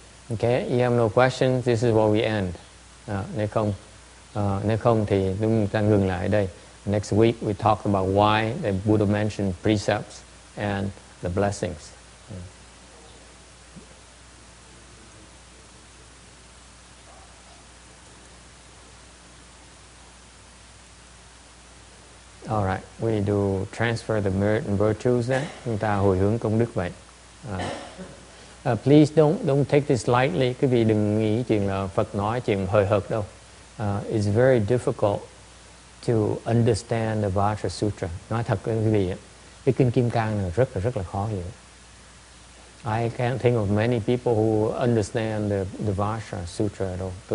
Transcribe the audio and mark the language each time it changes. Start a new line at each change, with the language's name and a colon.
English: Okay, you have no questions, this is where we end.
Vietnamese: Nếu không thì chúng ta ngừng lại đây.
English: Next week we talk about why the Buddha mentioned precepts and the blessings. All right, we do transfer the merit and virtues then.
Vietnamese: Chúng ta hồi hướng công đức vậy.
English: Please don't take this lightly.
Vietnamese: Quý vị đừng nghĩ chuyện là Phật nói chuyện hời hợt đâu.
English: It's very difficult to understand the Vajra Sutra.
Vietnamese: Nói thật với quý vị, cái kinh Kim Cang này rất là khó hiểu.
English: I can't think of many people who understand the Vajra Sutra đâu.